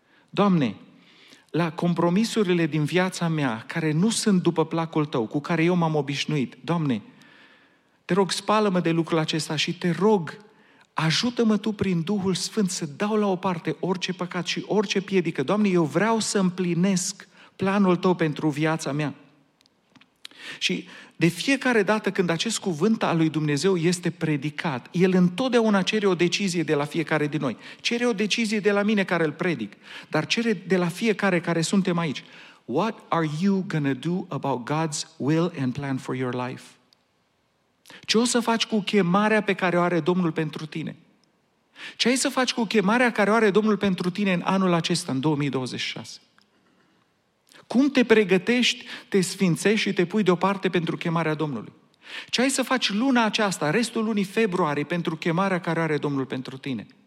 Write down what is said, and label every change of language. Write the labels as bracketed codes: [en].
[ro] Doamne, la compromisurile din viața mea, care nu sunt după placul Tău, cu care eu m-am obișnuit, Doamne, Te rog, spală-mă de lucrul acesta și Te rog, ajută-mă Tu prin Duhul Sfânt să dau la o parte orice păcat și orice piedică. Doamne, eu vreau să împlinesc planul Tău pentru viața mea. Și de fiecare dată când acest cuvânt al lui Dumnezeu este predicat, El întotdeauna cere o decizie de la fiecare din noi. Cere o decizie de la mine care îl predic, dar cere de la fiecare care suntem aici. [en] What are you gonna do about God's will and plan for your life? [ro] Ce o să faci cu chemarea pe care o are Domnul pentru tine? Ce ai să faci cu chemarea care o are Domnul pentru tine în anul acesta, în 2026? Cum te pregătești, te sfințești și te pui deoparte pentru chemarea Domnului? Ce ai să faci luna aceasta, restul lunii februarie, pentru chemarea care are Domnul pentru tine?